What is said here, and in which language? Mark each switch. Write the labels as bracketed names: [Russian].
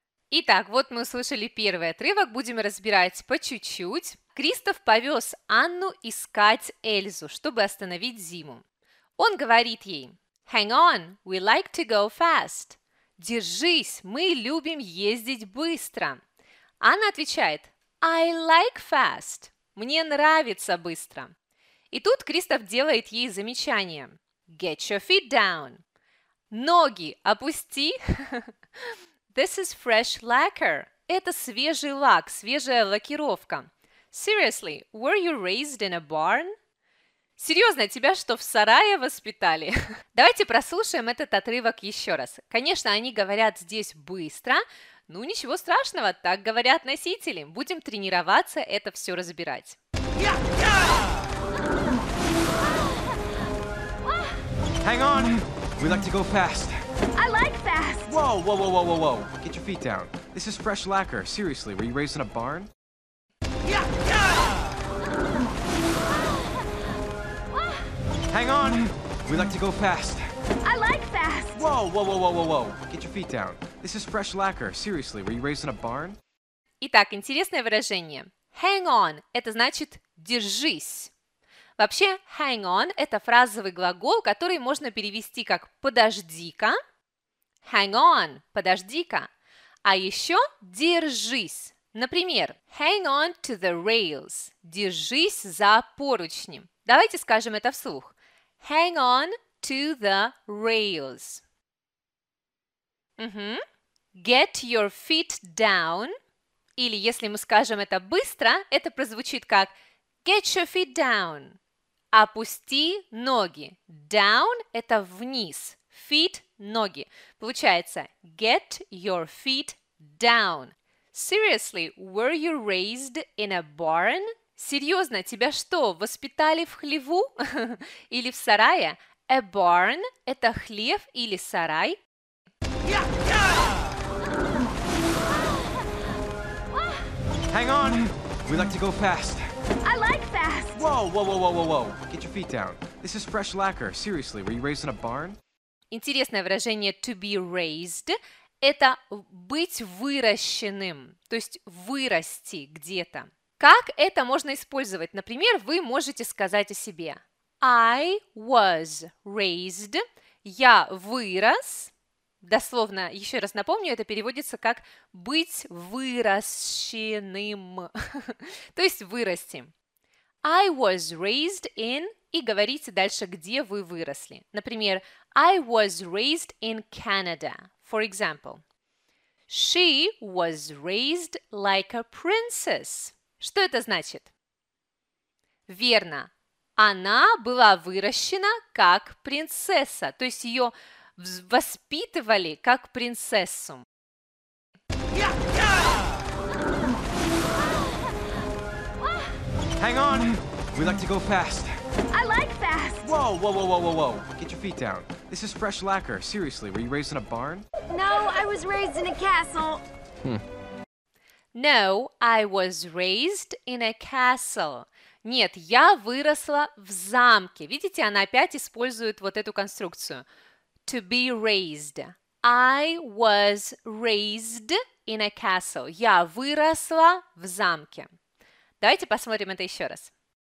[Russian] Итак, вот мы услышали первый отрывок, будем разбирать по чуть-чуть. Кристоф повез Анну искать Эльзу, чтобы остановить зиму. Он говорит ей: [English] Hang on, we like to go fast. [Russian] Держись, мы любим ездить быстро. Анна отвечает: [English] I like fast. [Russian] Мне нравится быстро. И тут Кристоф делает ей замечание. [English] Get your feet down. [Russian] Ноги опусти. [English] This is fresh lacquer. [Russian] Это свежий лак, свежая лакировка. [English] Seriously, were you raised in a barn? [Russian] Серьезно, тебя что, в сарае воспитали? Давайте прослушаем этот отрывок еще раз. Конечно, они говорят здесь быстро. Ну, ничего страшного, так говорят носители. Будем тренироваться это все разбирать. [English] Hang on! We like to go fast. I like fast. Whoa. Get your feet down. This is fresh lacquer. Seriously, were you raised in a barn? Hang on! We like to go fast. I like fast. Whoa. Get your feet down. This is fresh lacquer. Seriously, were you raised in a barn? [Russian] Итак, интересное выражение. [English] Hang on. [Russian] Это значит держись. Вообще, [English] hang on [Russian] – это фразовый глагол, который можно перевести как «подожди-ка». [English] Hang on [Russian] – подожди-ка. А еще «держись». Например, [English] hang on to the rails [Russian] – держись за поручни. Давайте скажем это вслух. [English] Hang on to the rails. Get your feet down. [Russian] Или если мы скажем это быстро, это прозвучит как [English] «get your feet down». [Russian] Опусти ноги. Down – это вниз. Feet – ноги. Получается, [English] get your feet down. Seriously, were you raised in a barn? [Russian] Серьезно, тебя что, воспитали в хлеву или в сарае? A barn – это хлев или сарай? [English] Hang on, we like to go fast. I like fast. Whoa. Get your feet down. This is fresh lacquer. Seriously, were you raised in a barn? [Russian] Интересное выражение [English] to be raised [Russian] – это быть выращенным, то есть вырасти где-то. Как это можно использовать? Например, вы можете сказать о себе. [English] I was raised. [Russian] Я вырос. Дословно, еще раз напомню, это переводится как «быть выращенным», то есть «вырасти». [English] I was raised in… [Russian] и говорите дальше, где вы выросли. Например, [English] I was raised in Canada, for example. She was raised like a princess. [Russian] Что это значит? Верно, она была выращена как принцесса, то есть ее… воспитывали как принцессу. [English] Hang on. We like to go fast. I like fast. Whoa. Get your feet down. This is fresh lacquer. Seriously, were you raised in a barn? No, I was raised in a castle. No, I was raised in a castle. [Russian] Нет, я выросла в замке. Видите, она опять использует вот эту конструкцию. [English] To be raised. I was raised in a castle. [Russian] Я выросла в замке. Давайте посмотрим это еще раз.